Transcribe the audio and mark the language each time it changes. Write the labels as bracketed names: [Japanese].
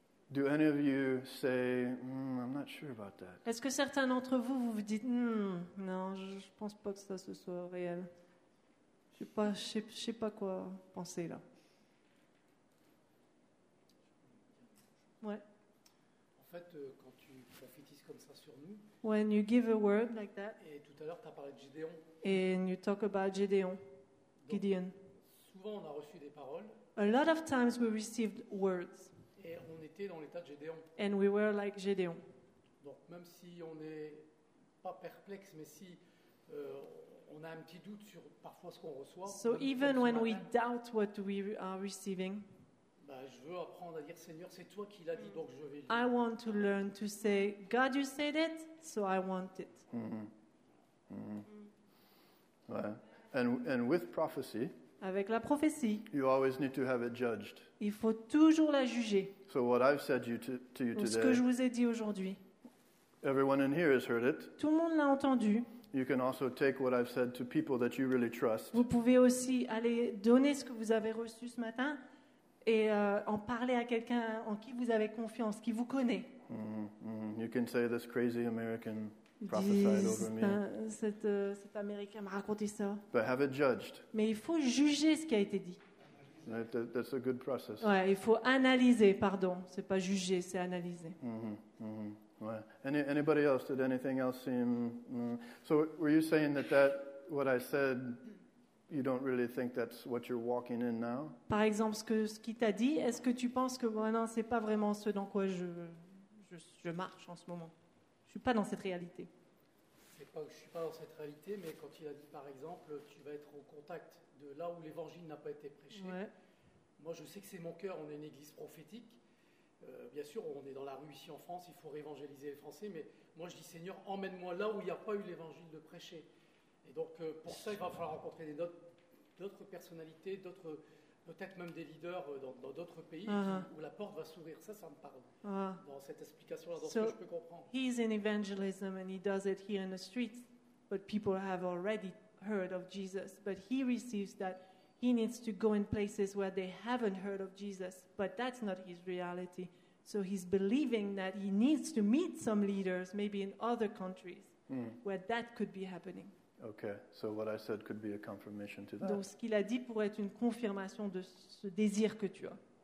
[English] Do any of you say, I'm not sure about that? [French] Est-ce que certains d'entre vous vous dites, non, je pense pas que ça ce soit réel. Je sais pas quoi penser là. Ouais. En fait, quand tu prophétises comme ça sur nous. [English] When you give a word like that. [French] Et tout à l'heure, t'as parlé de Gédéon. [English] And you talk about Gédéon, Gideon. [French] Souvent, on a reçu des paroles. [English] A lot of times, we received words. [French] Et on était dans l'état de Gédéon. [English] And we were like Gédéon. [French] Donc, même si on n'est pas perplexe, mais si on a un petit doute sur parfois ce qu'on reçoit. [English] So even when we doubt what we are receiving. [French] Bah, je veux apprendre à dire Seigneur, c'est toi qui l'as dit, donc je vais. [English] I want to learn to say God, you said it, so I want it. Mm-hmm. Ouais. And with prophecy. [French] Avec la prophétie. [English] You always need to have it judged. [French] Il faut toujours la juger. [English] So what I've said to you today. [French] Ce que je vous ai dit aujourd'hui. [English] Everyone in here has heard it. [French] Tout le monde l'a entendu. [English] You can also take what I've said to people that you really trust. [French] Vous pouvez aussi aller donner ce que vous avez reçu ce matin et en parler à quelqu'un en qui vous avez confiance, qui vous connaît. [English] You can say this crazy American prophesied over me. [French] Cet Américain m'a raconté ça. [English] But have it judged. [French] Mais il faut juger ce qui a été dit. [English] That's a good process. [French] Ouais, il faut analyser, pardon. C'est pas juger, c'est analyser. [English] Ouais. Anybody else? Did anything else seem? So, were you saying that what I said, you don't really think that's what you're walking in now? [French] Par exemple, ce qui t'a dit, est-ce que tu penses que non, c'est pas vraiment ce dans quoi je marche en ce moment. Je suis pas dans cette réalité. c'est pas, je ne suis pas dans cette réalité, mais quand il a dit, par exemple, tu vas être au contact de là où l'évangile n'a pas été prêché, ouais. Moi, je sais que c'est mon cœur, on est une église prophétique. Bien sûr, on est dans la rue ici en France, il faut réévangéliser les Français, mais moi, je dis, Seigneur, emmène-moi là où il n'y a pas eu l'évangile de prêcher. Et donc, pour ça, il va falloir rencontrer d'autres personnalités, d'autres, peut-être même des leaders dans d'autres pays où la porte va s'ouvrir. Ça, ça me parle dans cette explication-là, dans ce que je peux comprendre. [English] He's in evangelism and he does it here in the streets, but people have already heard of Jesus. But he receives that he needs to go in places where they haven't heard of Jesus, but that's not his reality. So he's believing that he needs to meet some leaders, maybe in other countries, where that could be happening. Okay, so what I said could be a confirmation to that. [French] Donc ce qu'il a dit pourrait être une confirmation de ce désir que tu as.